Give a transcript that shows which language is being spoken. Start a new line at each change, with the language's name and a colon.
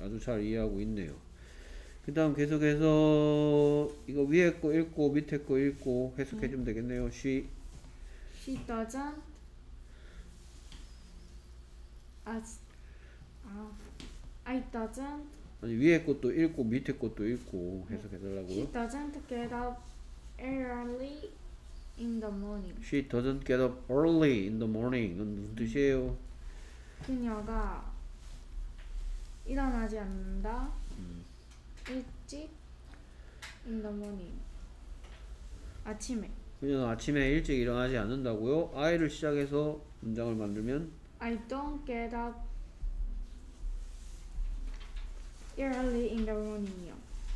Korean: 아주 잘 이해하고 있네요. 그 다음 계속해서 이거 위에 거 읽고 밑에 거 읽고 해석해주면 되겠네요.
English: She doesn't as I doesn't
Korean: 아니 위에 것도 읽고 밑에 것도 읽고 해석해달라고요?
English: She doesn't get up early in the morning. She doesn't get up early in the morning.
Korean: 무슨 뜻이에요? 그녀가 일어나지 않는다. 일찍
English: in the morning.
Korean: 아침에. 그녀는 아침에 일찍 일어나지 않는다고요? I를 시작해서 문장을 만들면
English: I don't get up early in the morning이요.